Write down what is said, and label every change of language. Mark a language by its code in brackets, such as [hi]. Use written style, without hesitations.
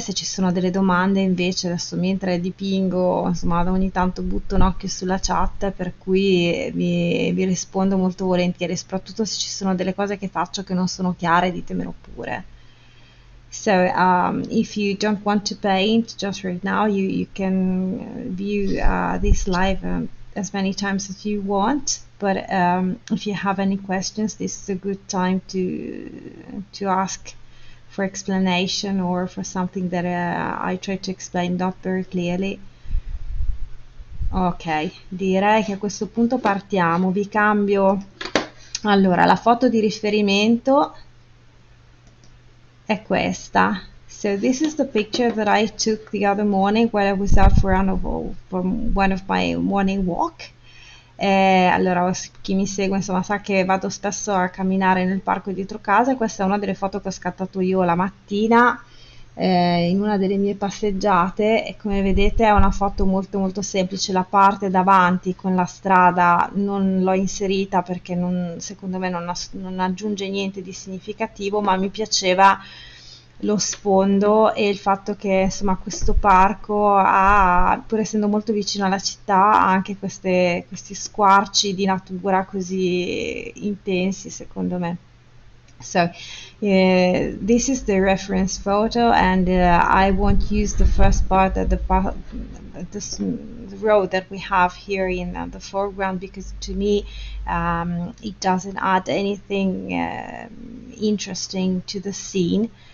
[it] Se ci sono delle domande invece, adesso mentre dipingo, insomma, ogni tanto butto un occhio sulla chat, per cui vi rispondo molto volentieri, soprattutto se ci sono delle cose che faccio che non sono chiare, ditemelo pure. [en] So, if you don't want to paint just right now, you can view this live as many times as you want. But if you have any questions, this is a good time to ask for explanation or for something that I try to explain not very clearly. [it] Ok, direi che a questo punto partiamo. Vi cambio allora la foto di riferimento. È questa. [en] So this is the picture that I took the other morning when I was out for one of my morning walk. [it] Allora, chi mi segue, insomma, sa che vado spesso a camminare nel parco dietro casa. Questa è una delle foto che ho scattato io la mattina in una delle mie passeggiate. E come vedete è una foto molto molto semplice. La parte davanti con la strada non l'ho inserita perché non, secondo me non aggiunge niente di significativo, ma mi piaceva lo sfondo e il fatto che insomma questo parco ha, pur essendo molto vicino alla città, ha anche questi squarci di natura così intensi, secondo me. [en] This is the reference photo, and I won't use the first part of the this road that we have here in the foreground, because to me it doesn't add anything interesting to the scene.